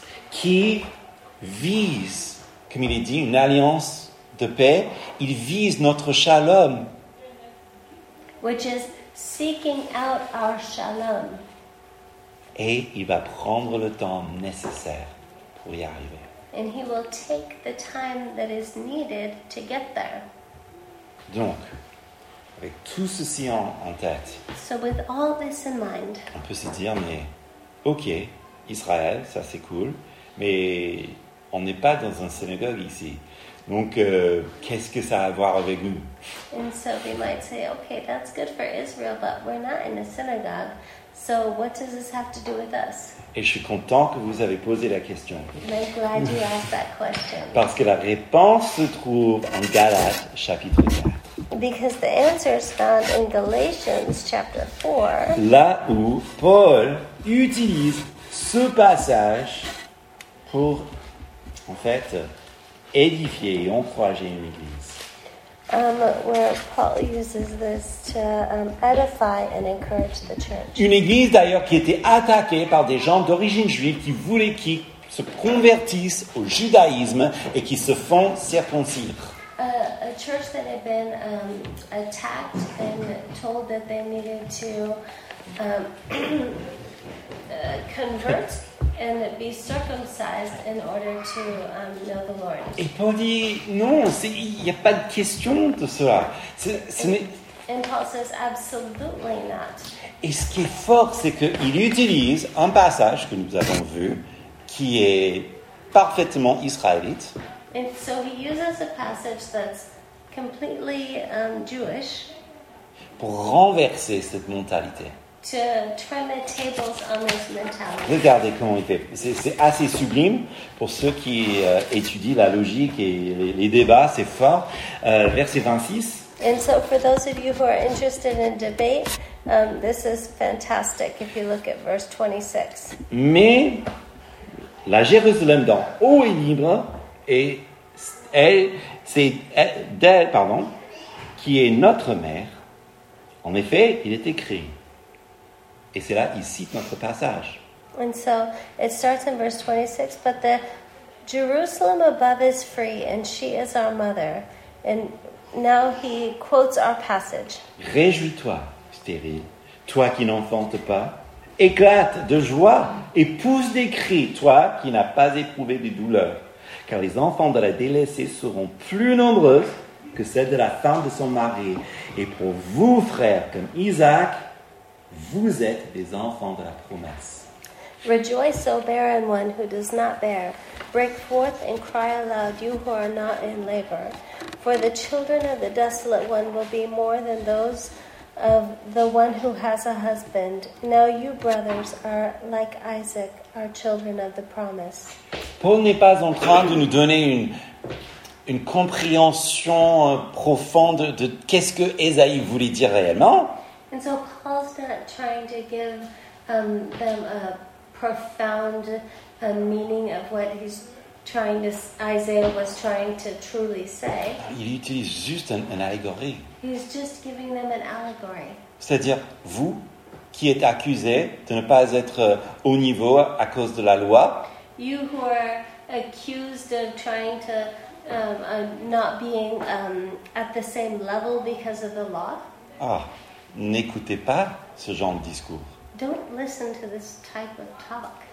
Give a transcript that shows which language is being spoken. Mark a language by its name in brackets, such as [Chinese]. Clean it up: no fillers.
[French] Qui vise, comme il est dit, une alliance de paix. Il vise notre shalom. [English] Which is seeking out our shalom. [French] Et il va prendre le temps nécessaire pour y arriver. [English] And he will take the time that is needed to get there. [French] Donc, avec tout ceci en tête, [English] so with all this in mind, [French] on peut se dire, mais ok, Israël, ça c'est cool, mais on n'est pas dans un synagogue ici. Donc, qu'est-ce que ça a à voir avec nous? [English] And so we might say, okay, that's good for Israel, but we're not in a synagogue. So what does this have to do with us? [French] Et je suis content que vous avez posé la question. [English] I'm glad you asked that question. [French] Parce que la réponse se trouve en Galates chapitre 4. [English] Because the answer is found in Galatians chapter 4. [French] Là où Paul utilise ce passage pour, en fait, édifier et encourager une église. [English] Where Paul uses this to edify and encourage the church. [French] Une église d'ailleurs qui était attaquée par des gens d'origine juive qui voulaient qu'ils se convertissent au judaïsme et qui se font circoncire. [English] A church that had been attacked and told that they needed to convert and be circumcised in order to know the Lord. [French] Et Paul dit, non, il n'y a pas de question de cela. [English] And Paul says, absolutely not. [French] Et ce qui est fort, c'est qu'il utilise un passage que nous avons vu qui est parfaitement israélite. [English] And so he uses a passage that's completely Jewish [French] pour renverser cette mentalité. [English] To turn the tables on this mentality. [French] Regardez comment il fait. C'est assez sublime pour ceux qui étudient la logique et les débats, c'est fort. Verset 26. [English] And so for those of you who are interested in debate, this is fantastic if you look at verse 26. [French] Mais la Jérusalem d'en haut est libre et elle, c'est d'elle, pardon, qui est notre mère. En effet, il est écrit. Et c'est là, il cite notre passage. [English] And so, it starts in verse 26, but the Jerusalem above is free, and she is our mother. And now he quotes our passage. [French] Réjouis-toi, stérile, toi qui n'enfantes pas. Éclate de joie et pousse des cris, toi qui n'as pas éprouvé de douleur. Car les enfants de la délaissée seront plus nombreux que celles de la femme de son mari. Et pour vous, frères, comme Isaac, vous êtes des enfants de la promesse. [English] Rejoice, O barren one who does not bear. Break forth and cry aloud, you who are not in labor. For the children of the desolate one will be more than those of the one who has a husband. Now you, brothers, are like Isaac, our children of the promise. [French] Paul n'est pas en train de nous donner une compréhension profonde de qu'est-ce que Ésaïe voulait dire réellement. [English] And so Paul's not trying to give them a profound meaning of what he's trying to, Isaiah was trying to truly say. [French] Il utilise juste un allégorie. [English] He's just giving them an allegory. [French] C'est-à-dire, vous qui êtes accusés de ne pas être au niveau à cause de la loi. [English] You who are accused of trying to not being at the same level because of the law. [French] Ah, n'écoutez pas ce genre de discours. [English] Don't listen to this type of talk.